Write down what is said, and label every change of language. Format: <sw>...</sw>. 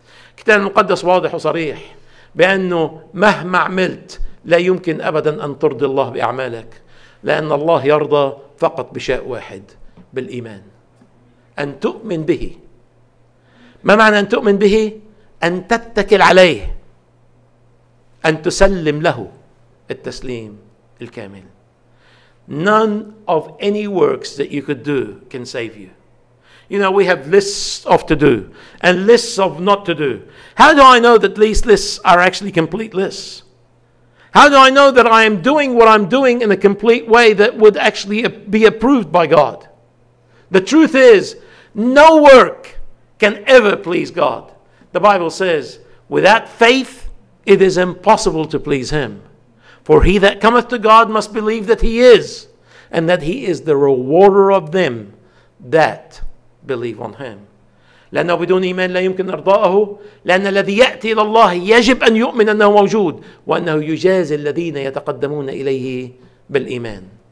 <ar>الكتاب المقدس واضح وصريح بأنه مهما عملت لا يمكن أبدا أن ترضي الله بأعمالك، لأن الله يرضى فقط بشيء واحد، بالإيمان، أن تؤمن به. ما معنى أن تؤمن به؟ أن تتكل عليه، أن تسلم له التسليم الكامل.</ar> <en>None of any works that you could do can save you. You know, we have lists of to do and lists of not to do. How do I know that these lists are actually complete lists? How do I know that I am doing what I'm doing in a complete way that would actually be approved by God? The truth is, no work can ever please God. The Bible says, without faith, it is impossible to please Him. For he that cometh to God must believe that he is, and that he is the rewarder of them that believe on him.</en> <ar>لأنه بدون إيمان لا يمكن إرضائه، لأن الذي يأتي إلى الله يجب أن يؤمن أنه موجود، وأنه يجازي الذين يتقدمون إليه بالإيمان.</ar>